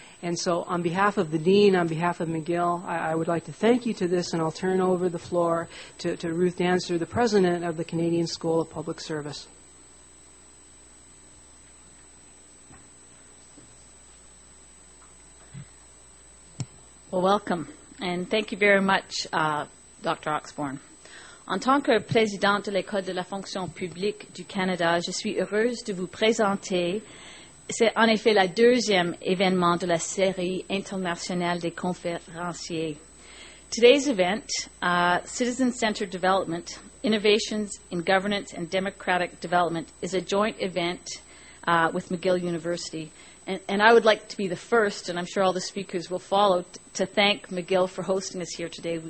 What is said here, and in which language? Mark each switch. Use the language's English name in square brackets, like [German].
[English] And so on behalf of the Dean, on behalf of McGill, I would like to thank you to this, and I'll turn over the floor to Ruth Dancer, the president of the Canadian School of Public Service. Well, welcome. And thank you very much, Dr. Oxborne. [French] En tant que présidente de l'École de la fonction publique du Canada, je suis heureuse de vous présenter. C'est en effet le deuxième événement de la série internationale des conférenciers. [English] Today's event, Citizen-Centered Development, Innovations in Governance and Democratic Development, is a joint event with McGill University. And I would like to be the first, and I'm sure all the speakers will follow, to thank McGill for hosting us here today.